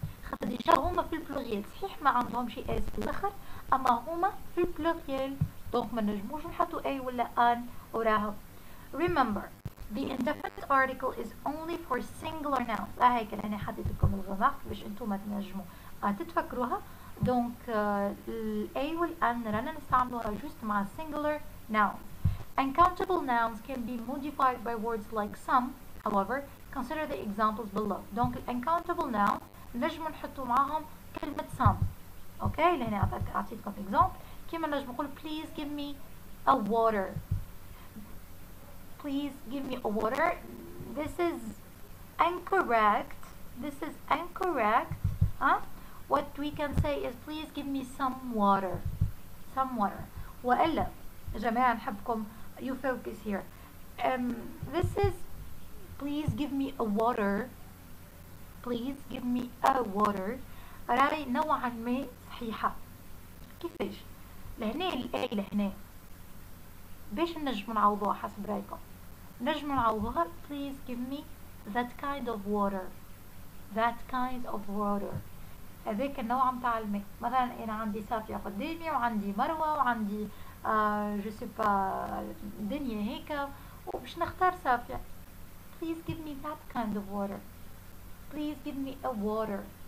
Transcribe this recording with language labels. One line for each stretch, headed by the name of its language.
Arabic: خاطر ديجا هما في البلوغي صحيح ما عندهم شي اس في الاخر اما هما في البلوغي دونك ما نجموش نحطوا اي ولا ان وراهم
English: remember the indefinite article is only for singular nouns
Arabic: لا هيك انا حطيت لكم الغمار باش انتم ما تنجموا تتفكروها دونك الاي والان رانا نستعملوها جوست مع singular nouns
English: Uncountable nouns can be modified by words like some. However, consider the examples below. Donc, uncountable noun,
Arabic: نجم نحطو معاهم كلمة
English: some. Okay,
Arabic: لهنا أعطيتكم
English: example.
Arabic: كيما نجم نقول
English: please give me a water. Please give me a water. This is incorrect. This is incorrect. Huh? What we can say is please give me some water. Some water.
Arabic: وإلا جماعة نحبكم
English: You focus here. This is, please give me a water. Please give me a water.
Arabic: راي نوعا ما صحيحة. كيفاش؟ لهنا الآية لهنا. باش نجم نعوضوها حسب رأيكم. نجم نعوضوها,
English: please give me that kind of water. That kind of water.
Arabic: هذاك النوع متاع الماء. مثلا أنا عندي صافية قدامي وعندي مروة وعندي
French: je sais pas
Arabic: الدنيا هيك وباش نختار صافية
English: please give me that kind of water please give me a water